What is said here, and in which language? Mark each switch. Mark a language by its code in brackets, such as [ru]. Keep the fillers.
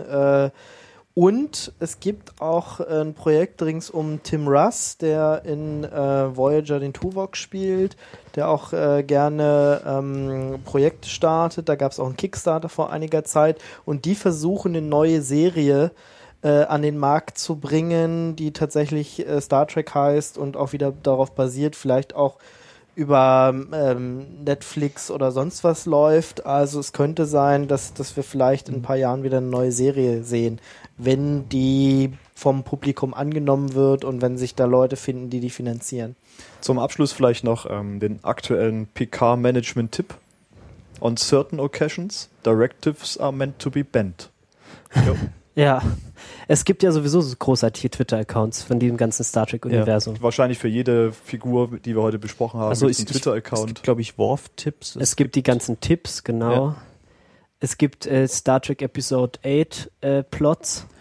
[de] Äh, und es gibt auch ein Projekt rings um Tim Russ, der in äh, Voyager den Tuvok spielt, der auch äh, gerne ähm, Projekte startet. Da gab es auch einen Kickstarter vor einiger Zeit und die versuchen eine neue Serie äh, an den Markt zu bringen, die tatsächlich äh, Star Trek heißt und auch wieder darauf basiert, vielleicht auch über ähm, Netflix oder sonst was läuft. Also es könnte sein, dass, dass wir vielleicht in ein paar Jahren wieder eine neue Serie sehen, wenn die vom Publikum angenommen wird und wenn sich da Leute finden, die die finanzieren. Zum Abschluss vielleicht noch ähm, den aktuellen PK-Management-Tipp. [en] On certain occasions, directives are meant to be bent. [de] Ja, es gibt ja sowieso so großartige Twitter-Accounts von dem ganzen Star Trek-Universum. Wahrscheinlich für jede Figur, die wir heute besprochen haben, Also gibt's ist einen Twitter-Account. glaube ich, Worf-Tipps. Es gibt die ganzen Tipps, genau. Es gibt äh, Star Trek Episode 8 äh, Plots.